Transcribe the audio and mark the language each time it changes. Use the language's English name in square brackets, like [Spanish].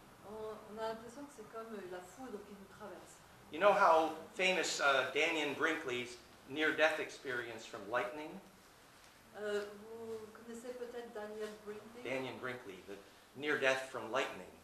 [French] On a l'impression que c'est comme la foudre qui nous traverse. [English] You know how famous Daniel Brinkley's near-death experience from lightning? [French] Vous connaissez peut-être Daniel Brinkley? [English] Daniel Brinkley, the near-death from lightning.